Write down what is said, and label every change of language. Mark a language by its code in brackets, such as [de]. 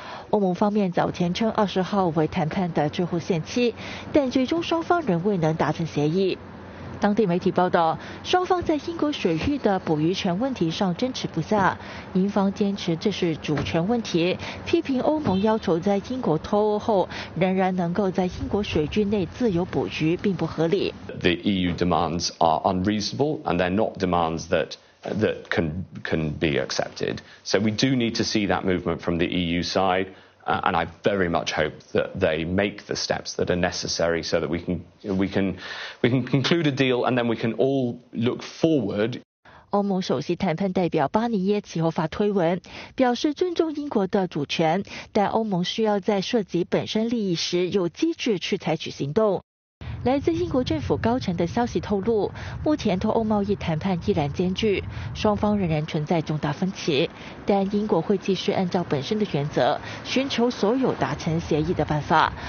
[zh] 欧盟方面早前称20号为谈判的最后限期，但最终双方仍未能达成协议。当地媒体报道，双方在英国水域的捕鱼权问题上争执不下，英方坚持这是主权问题，批评欧盟要求在英国脱欧后仍然能够在英国水域内自由捕鱼并不合理。 [en] The EU demands are unreasonable and they're not demands that can be accepted. So we do need to see that movement from the EU side. And I very much hope that they make the steps that are necessary so that we can conclude a deal and then we can all look forward. [zh] 欧盟首席谈判代表巴尼耶其后发推文，表示尊重英国的主权，但欧盟需要在涉及本身利益时有机制去采取行动。来自英国政府高层的消息透露，目前脱欧贸易谈判依然艰巨，双方仍然存在重大分歧，但英国会继续按照本身的原则寻求所有达成协议的办法。